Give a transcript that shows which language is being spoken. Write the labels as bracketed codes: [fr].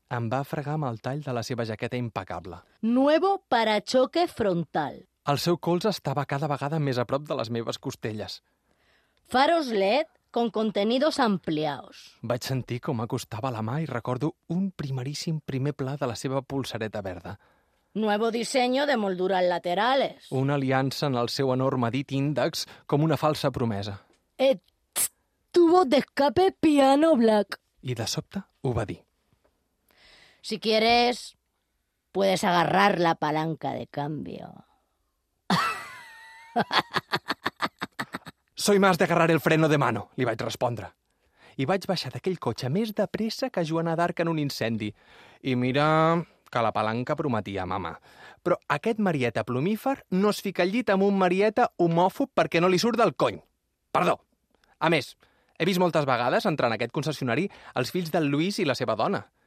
[ca] Em va fregar amb el tall de la seva jaqueta impecable. [es] Nuevo parachoque frontal. [ca] El seu colze estava cada vegada més a prop de les meves costelles. [es] Faros LED con contenidos ampliados. [ca] Vaig sentir com acostava la mà i recordo un primeríssim primer pla de la seva polsareta verda. [es] Nuevo diseño de molduras laterales. [ca] Una aliança en el seu enorme dit índex com una falsa promesa. [es] Tubo de escape piano black. [ca] I de sobte ho va dir. [es] Si quieres, puedes agarrar la palanca de cambio. Soy más de agarrar el freno de mano, li vaig respondre. [ca] I vaig baixar d'aquell cotxe més de pressa que Joana d'Arc en un incendi. I mira que la palanca prometia, mama. Però aquest marieta plumífer no es fica al llit amb un marieta homòfob perquè no li surt del cony. Perdó. A més, he vist moltes vegades entrar en aquest concessionari els fills del Lluís i la seva dona.